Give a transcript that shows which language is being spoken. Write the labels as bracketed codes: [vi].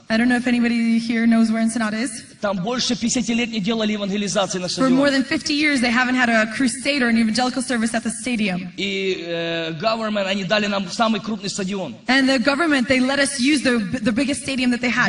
[en] I don't know if anybody here knows where Ensenada is. [ru] Там больше 50 лет не делали евангелизации на стадионе. [en] For more than 50 years they haven't had a crusade or an evangelical service at the stadium. [ru] И government, они дали нам самый крупный стадион. [en] And the government, they let us use the biggest stadium that they had.